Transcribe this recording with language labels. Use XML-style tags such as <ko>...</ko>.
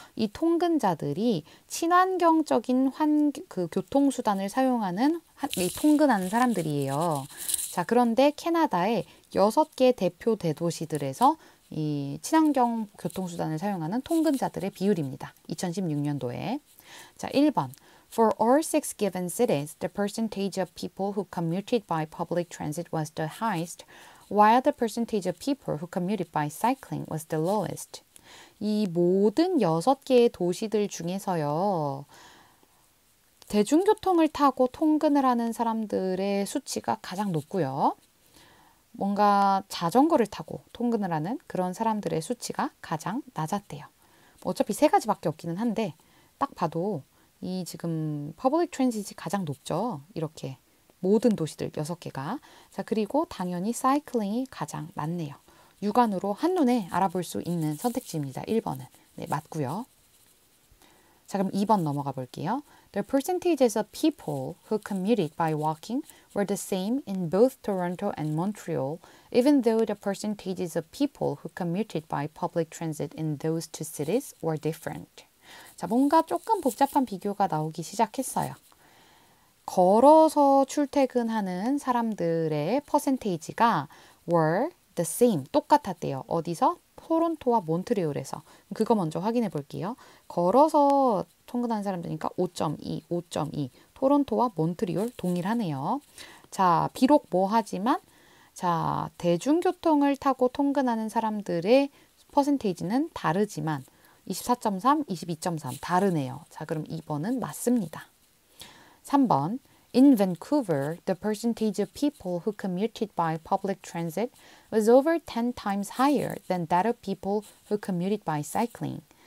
<ko>이 통근자들이 친환경적인 교통수단을 사용하는 이 통근하는 사람들이에요. 자, 그런데 캐나다의 6개 대표 대도시들에서 이 친환경 교통수단을 사용하는 통근자들의 비율입니다. 2016년도에. 자, 1번.</ko> <en>For all six given cities, the percentage of people who commuted by public transit was the highest, while the percentage of people who commuted by cycling was the lowest.</en> <ko>이 모든 6개의 도시들 중에서요, 대중교통을 타고 통근을 하는 사람들의 수치가 가장 높고요. 뭔가 자전거를 타고 통근을 하는 그런 사람들의 수치가 가장 낮았대요. 어차피 세 가지밖에 없기는 한데, 딱 봐도 이 지금 퍼블릭 트랜지트가 가장 높죠. 이렇게 모든 도시들 6개가. 자, 그리고 당연히 사이클링이 가장 많네요. 육안으로 한눈에 알아볼 수 있는 선택지입니다. 1번은. 네, 맞고요. 자, 그럼 2번 넘어가 볼게요.</ko> <en>The percentages of people who commuted by walking were the same in both Toronto and Montreal, even though the percentages of people who commuted by public transit in those two cities were different.</en> <ko>자, 뭔가 조금 복잡한 비교가 나오기 시작했어요. 걸어서 출퇴근하는 사람들의 퍼센테이지가</ko> <en>were the same,</en> <ko>똑같았대요. 어디서? 토론토와 몬트리올에서. 그거 먼저 확인해 볼게요. 걸어서 통근하는 사람들이니까 5.2, 5.2. 토론토와 몬트리올 동일하네요. 자, 비록 뭐 하지만, 자, 대중교통을 타고 통근하는 사람들의 퍼센테이지는 다르지만, 24.3, 22.3. 다르네요. 자, 그럼 2번은 맞습니다. 3번.</ko> <en>In Vancouver, the percentage of people who commuted by public transit was over 10 times higher than that of people who commuted by cycling.</en>